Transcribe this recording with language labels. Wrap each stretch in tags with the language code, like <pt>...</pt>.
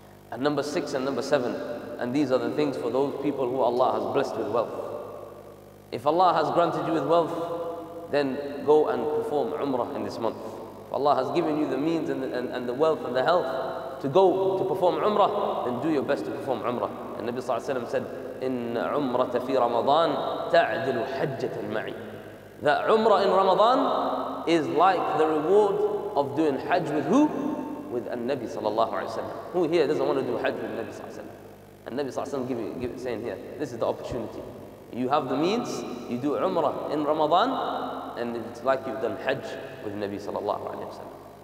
<en>And number six and number seven, and these are the things for those people who Allah has blessed with wealth. If Allah has granted you with wealth, then go and perform Umrah in this month. If Allah has given you the means and the wealth and the health to go to perform Umrah, then do your best to perform Umrah. And Nabi Sallallahu Alaihi Wasallam said,</en> <ar>إِنَّ عُمْرَةَ فِي رَمَضَانَ تَعْدِلُ حَجَّةَ الْمَعِي.</ar> <en>That Umrah in Ramadan is like the reward of doing Hajj with who? With Al-Nabi Sallallahu Alaihi Wasallam. Who here doesn't want to do Hajj with Nabi Sallallahu Alaihi Wasallam? And Nabi Sallallahu Alaihi Wasallam saying here, this is the opportunity. You have the means, you do Umrah in Ramadan, and it's like you've done Hajj with Nabi Sallallahu Alaihi Wasallam.</en>